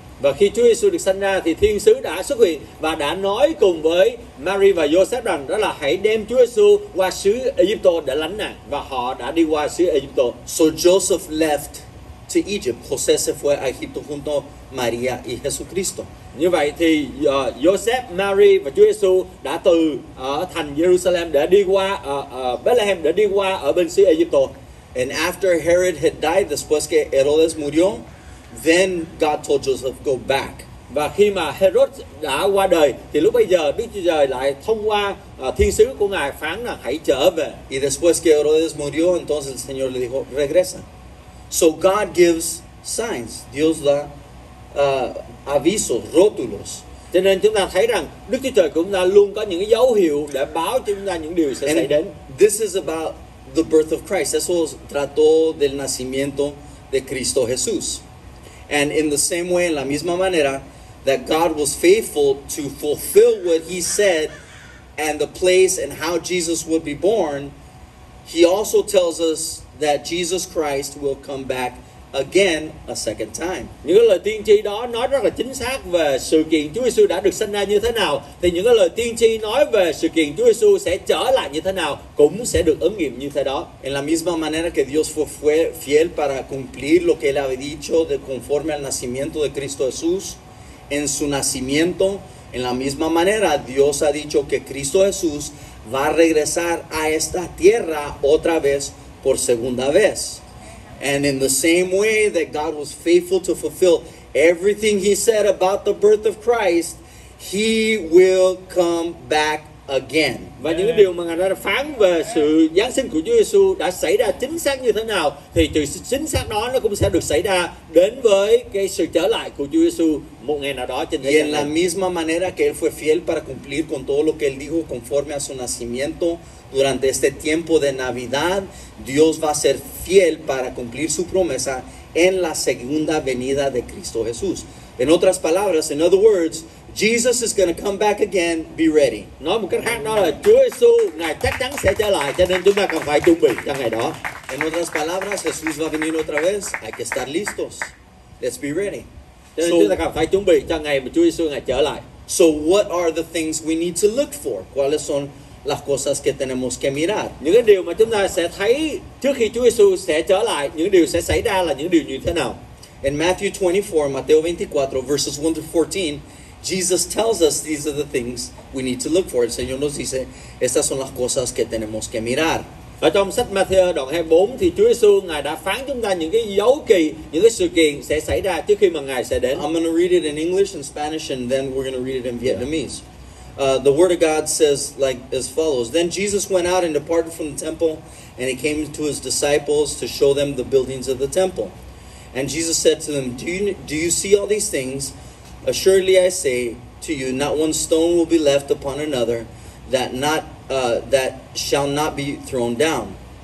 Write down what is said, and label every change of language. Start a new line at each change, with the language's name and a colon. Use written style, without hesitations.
Vietnamese: Và khi Chúa Giêsu được sanh ra thì thiên sứ đã xuất hiện và đã nói cùng với Mary và Joseph rằng đó là hãy đem Chúa Giêsu qua xứ Egypto để lánh nạn, và họ đã đi qua xứ Egypto.
English: So Joseph left to Egypt.
Spanish: José se fue a Egipto junto María y Jesucristo.
Vietnamese: Như vậy thì Joseph, Mary và Chúa Giêsu đã từ thành Jerusalem để đi qua Bethlehem, để đi qua ở bên xứ Egypto.
English: And after Herod had died,
Spanish: después que Herodes murió,
English: then God told Joseph, go back.
Vietnamese: Và khi mà Herod đã qua đời, thì lúc bây giờ Đức Chúa Trời lại thông qua thiên sứ của Ngài phán là hãy trở về.
Spanish: Y después que Herodes murió, entonces el Señor le dijo, regresa.
English: So God gives signs.
Spanish: Dios da avisos, rótulos.
Vietnamese: Cho nên chúng ta thấy rằng Đức Chúa Trời cũng luôn có những dấu hiệu để báo chúng ta những điều sẽ
English: and
Vietnamese: xảy đến.
English: This is about the birth of Christ.
Spanish: Eso trató del nacimiento de Cristo Jesús.
English: And in the same way,
Spanish: en la misma manera,
English: that God was faithful to fulfill what he said and the place and how Jesus would be born, he also tells us that Jesus Christ will come back again a second time.
Vietnamese: Những cái lời tiên tri đó nói rất là chính xác về sự kiện Chúa Giêsu đã được sanh ra như thế nào, thì những cái lời tiên tri nói về sự kiện Chúa Giêsu sẽ trở lại như thế nào cũng sẽ được ứng nghiệm như thế đó.
Spanish: En la misma manera que Dios fue fiel para cumplir lo que él había dicho de conforme al nacimiento de Cristo Jesús, en su nacimiento, en la misma manera Dios ha dicho que Cristo Jesús va a regresar a esta tierra otra vez por segunda vez.
English: And in the same way that God was faithful to fulfill everything he said about the birth of Christ, he will come back again.
Vietnamese: Và những điều mà Ngài đã phán về sự giáng sinh của Chúa Giêsu đã xảy ra chính xác như thế nào thì từ chính xác đó nó cũng sẽ được xảy ra đến với cái sự trở lại của Chúa Giêsu một ngày nào đó trên thế gian.
Spanish: Y en la misma manera que él fue fiel para cumplir con todo lo que él dijo conforme a su nacimiento durante este tiempo de Navidad, Dios va a ser fiel para cumplir su promesa en la segunda venida de Cristo Jesús. En otras palabras,
English: in other words, Jesus is going to come back again, be ready.
Vietnamese: Nói một cách khác đó là Chúa Giêsu Ngài chắc chắn sẽ trở lại, cho nên chúng ta cần phải chuẩn bị cho ngày đó.
Spanish: En otras palabras, Jesús va a venir otra vez, hay que estar listos.
English: Let's be ready.
Vietnamese: Cho nên chúng ta cần phải chuẩn bị cho ngày mà Chúa Giêsu Ngài trở lại.
English: So what are the things we need to look for?
Spanish: ¿Cuáles son las cosas que tenemos que mirar?
Vietnamese: Những cái điều mà chúng ta sẽ thấy trước khi Chúa Giêsu sẽ trở lại, những điều sẽ xảy ra là những điều như thế nào?
English: In Matthew 24, Mateo 24, verses 1 to 14, Jesus tells us these are the things we need to look for.
Spanish: El Señor nos dice, estas son las cosas que tenemos que mirar.
Vietnamese: Ở trong sách Matthew đoạn 24 thì Chúa Giêsu Ngài đã phán chúng ta những cái dấu kỳ, những cái sự kiện sẽ xảy ra trước khi mà Ngài sẽ đến.
English: I'm going to read it in English and Spanish and then we're going to read it in Vietnamese. The word of God says like as follows. Then Jesus went out and departed from the temple, and he came to his disciples to show them the buildings of the temple. And Jesus said to them, Do you see all these things? Assuredly I say to you, not one stone will be left upon another that shall not be thrown down.